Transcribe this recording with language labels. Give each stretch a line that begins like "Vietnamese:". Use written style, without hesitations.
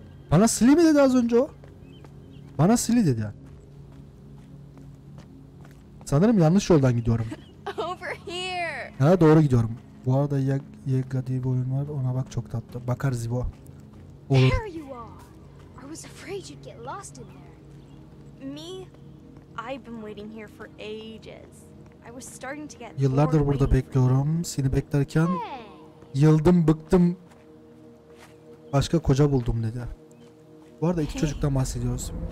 Turkish: Bana silly mi dedi az önce o? Bana silly dedi. Sanırım yanlış yoldan gidiyorum.
English: Over here.
Turkish: Ha, doğru gidiyorum. Bu arada Yega diye bir oyun var. Ona bak, çok tatlı. Bakar Zibo. Olur.
English: There you are. I was afraid you'd get lost in there. Me? I've been waiting here for ages. I was starting to get bored.
Turkish: Yıllardır burada bekliyorum. Seni beklerken yıldım, bıktım. Başka koca buldum dedi. Bu arada iki çocuktan bahsediyoruz.